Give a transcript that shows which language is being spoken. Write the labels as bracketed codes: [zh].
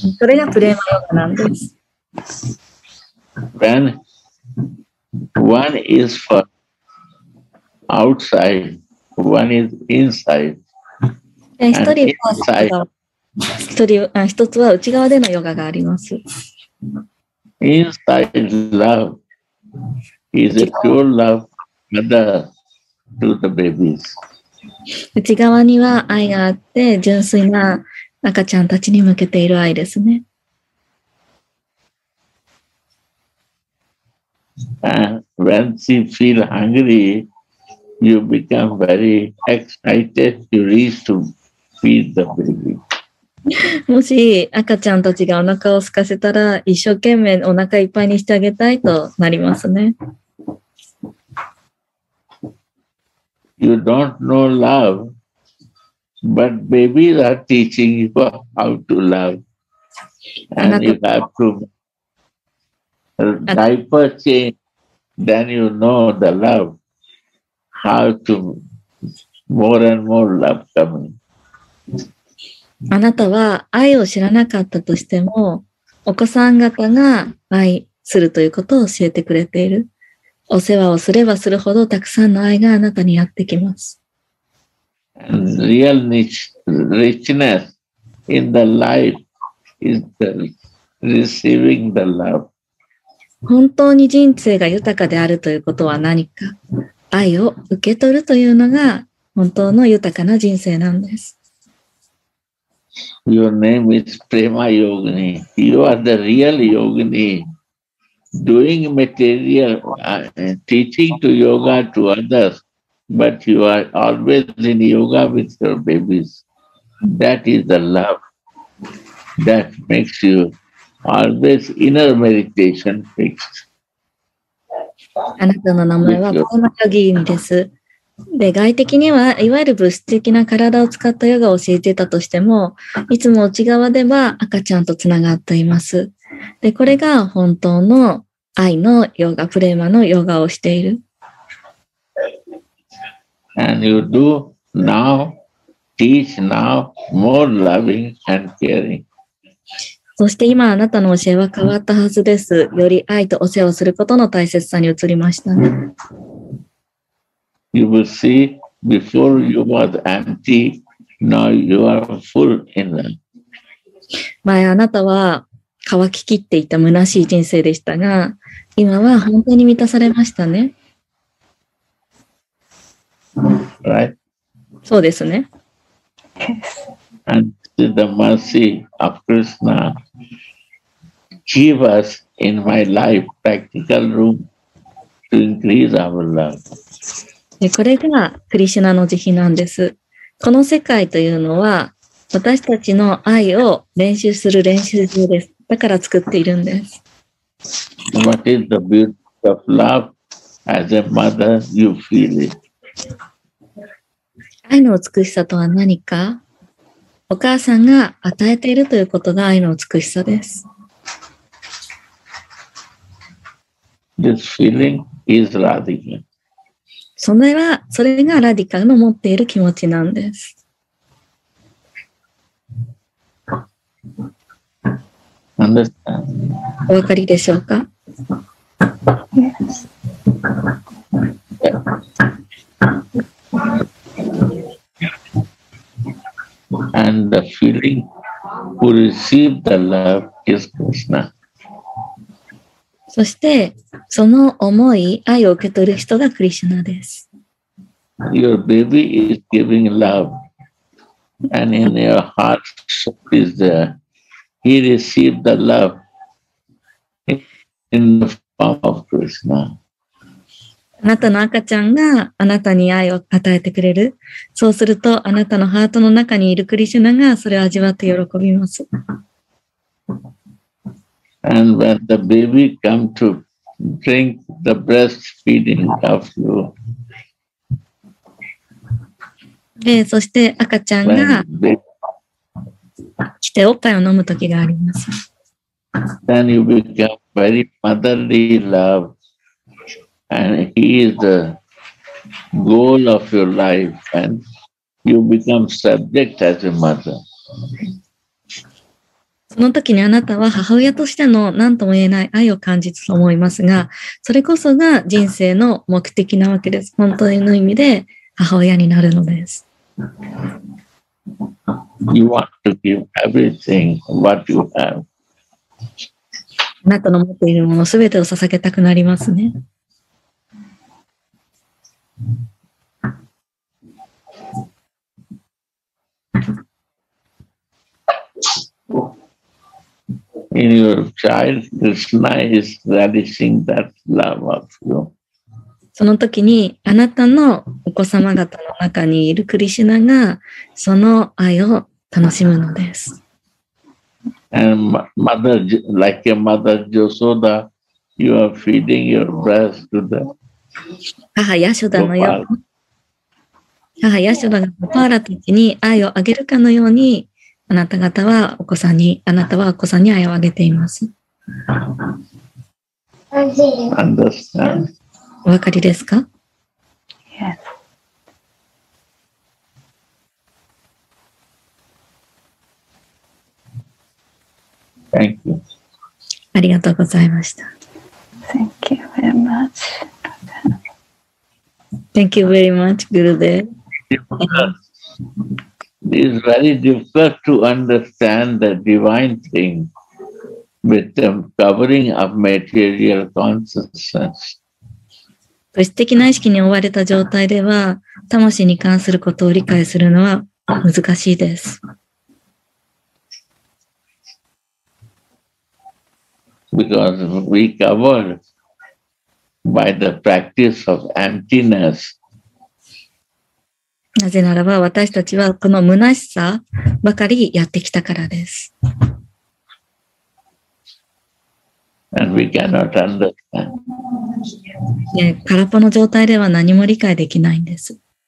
[ja] それがプレマヨガなんです。 [en] When one is for outside. One is inside. [ja] 一つは内側でのヨガがあります。 [en] Inside love is a pure love mother to the babies. [ja] 内側には愛があって純粋な赤ちゃんたちに向けている愛ですね。 [en] And when she feel hungry. You become very excited to reach to feed the baby. [ja] もし赤ちゃんたちがお腹を空かせたら、一生懸命お腹いっぱいにしてあげたいとなりますね。 [en] you don't know love, but babies are teaching you how to love. And you have to diaper change, then you know the love, how to more and more love coming. [ja] あなたは愛を知らなかったとしても、お子さん方が愛するということを教えてくれている。お世話をすればするほどたくさんの愛があなたにやってきます。 [en] Real richness in the life is the receiving the love. [ja] 本当に人生が豊かであるということは何か。愛を受け取るというのが本当の豊かな人生なんです。 [en] Your name is Prema Yogini. You are the real yogini. Doing material, teaching to yoga to others, but you are always in yoga with your babies. That is the love that makes you always inner meditation fixed. [ja] あなたの名前はプレマヨギーニです。で、外的にはいわゆる物質的な体を使ったヨガを教えてたとしても、いつも内側では赤ちゃんとつながっています。で、これが本当の愛のヨガ、プレマのヨガをしている。 [en] And you do now, teach now, more loving and caring. [ja] そして今あなたの教えは変わったはずです。より愛とお世話をすることの大切さに移りましたね。 [en] You will see, before you was empty, now you are full in love. [ja] 前あなたは乾ききっていた虚しい人生でしたが、今は本当に満たされましたね。 [en] Right? [ja] そうですね。 [en] And the mercy of Krishna give us in my life practical room to increase our love. [ja] これがクリシュナの慈悲なんです。この世界というのは私たちの愛を練習する練習場です。だから作っているんです。 [en] What is the beauty of love? As a mother, you feel it. [ja] 愛の美しさとは何か？お母さんが与えているということが愛の美しさです。 [en] This feeling is radical. [ja] それがラディカルの持っている気持ちなんです。 [en] Understand? [ja] お分かりでしょうか？ [en] Yes. And the feeling who received the love is Krishna. [ja] そしてその思い愛を受け取る人がクリシュナです。 [en] Your baby is giving love, and in your heart is there. He received the love in the form of Krishna. [ja] あなたの赤ちゃんがあなたに愛を与えてくれる。そうするとあなたのハートの中にいるクリシュナがそれを味わって喜びます。 [en] And when the baby comes to drink the breastfeeding of you, [ja] で、そして赤ちゃんが来ておっぱいを飲む時があります。 [en] Then you become very motherly love, and he is the goal of your life, and you become subject as a mother. [ja] その時にあなたは母親としての何とも言えない愛を感じると思いますが、それこそが人生の目的なわけです。本当の意味で母親になるのです。 [en] You want to give everything what you have. [ja] あなたの持っているものすべてを捧げたくなりますね。 [en] In your child, Krishna is relishing that love of you. [ja] その時にあなたのお子様方の中にいるクリシュナがその愛を楽しむのです。 [en] And mother, like a mother, Yashoda, you are feeding your breast to the. [ja] 母ヤショダのよう母ヤシュバがパーラたちに愛をあげるかのようにあなた方はお子さんにあなたはお子さんに愛をあげています。 [en] Understand. [ja] お分かりですか？ [en] Yes. Thank you. [ja] ありがとうございました。 [en] Thank you very much. Thank you very much, Gurudev. It is very difficult to understand the divine thing. With the covering of material consciousness. [ja] 物質的な意識に覆われた状態では、魂に関することを理解するのは難しいです。 [en] Because we cover by the practice of emptiness. [ja] なぜならば私たちはこの虚しさばかりやってきたからです。 [en] And we cannot understand. [ja] 空っぽの状態では何も理解できないんです。